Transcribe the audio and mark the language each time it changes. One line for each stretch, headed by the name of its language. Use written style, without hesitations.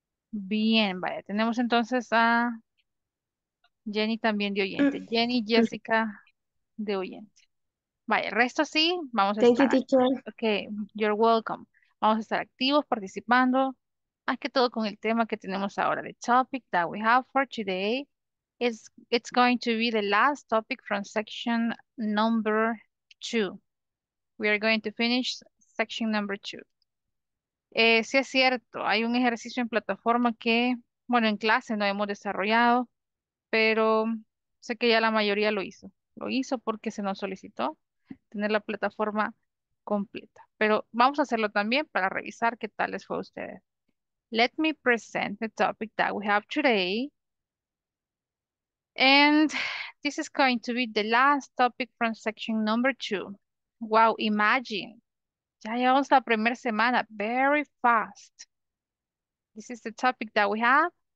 Spanish: Bien, vaya. Tenemos entonces a Jenny también de oyente. Jenny, Jessica, de oyente. Vaya, el resto sí, vamos a
English: Thank
Spanish: estar.
English: Thank you, teacher. Ok, you're welcome.
Spanish: Vamos a estar activos, participando. Más que todo con el tema que tenemos ahora.
English: The topic that we have for today is it's going to be the last topic from section number 2. We are going to finish section number 2.
Spanish: Sí es cierto, hay un ejercicio en plataforma que, bueno, en clase no hemos desarrollado, pero sé que ya la mayoría lo hizo. Lo hizo porque se nos solicitó tener la plataforma completa. Pero vamos a hacerlo también para revisar qué tal les fue a ustedes.
English: Let me present the topic that we have today. And this is going to be the last topic from section number 2. Wow, imagine.
Spanish: Ya llevamos la primera semana.
English: Very fast. This is the topic that we have.